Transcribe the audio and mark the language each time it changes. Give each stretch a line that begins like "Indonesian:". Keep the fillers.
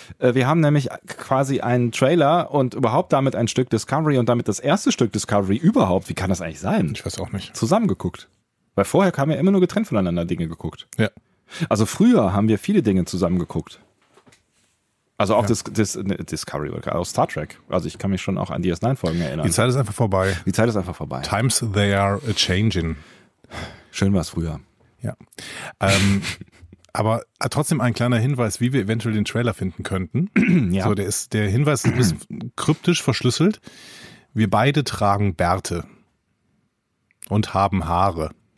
German: Äh, wir haben nämlich quasi einen Trailer und überhaupt damit ein Stück Discovery und damit das erste Stück Discovery überhaupt. Wie kann das eigentlich sein? Ich weiß auch nicht. Zusammengeguckt. Weil vorher haben wir immer nur getrennt voneinander Dinge geguckt. Ja. Also früher haben wir viele Dinge zusammengeguckt. Also auch ja. das, das ne, Discovery, auch also Star Trek. Also ich kann mich schon auch an DS9-Folgen erinnern. Die Zeit ist einfach vorbei. Die Zeit ist einfach vorbei.
English: Times, they are changing.
German: Schön war es früher. Ja. Ähm, aber trotzdem ein kleiner Hinweis, wie wir eventuell den Trailer finden könnten. ja. so, der, ist, der Hinweis ist ein bisschen kryptisch verschlüsselt. Wir beide tragen Bärte und haben Haare.